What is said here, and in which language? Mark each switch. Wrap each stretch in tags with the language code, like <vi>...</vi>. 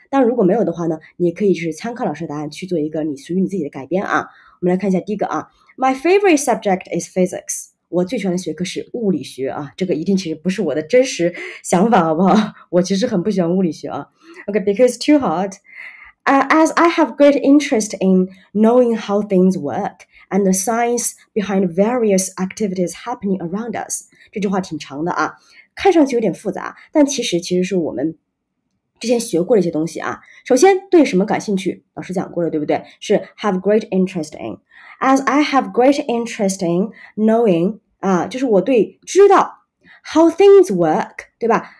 <zh>但如果没有的话呢，你可以就是参考老师的答案去做一个你属于你自己的改编啊。我们来看一下第一个啊。</zh> <en>My favorite subject is physics.</en> <zh>我最喜欢的学科是物理学啊，这个一定其实不是我的真实想法，好不好？我其实很不喜欢物理学啊。</zh> <en>Okay, because too hard. As I have great interest in knowing how things work and the science behind various activities happening around us.</en> <zh>这句话挺长的啊，看上去有点复杂，但其实是我们之前学过的一些东西啊。首先对什么感兴趣，老师讲过了，对不对？是</zh> <en>have great interest in。 As I have great interest in knowing,</en> <zh>啊，就是我对知道</zh> <en>how things work,</en> <zh>对吧？</zh>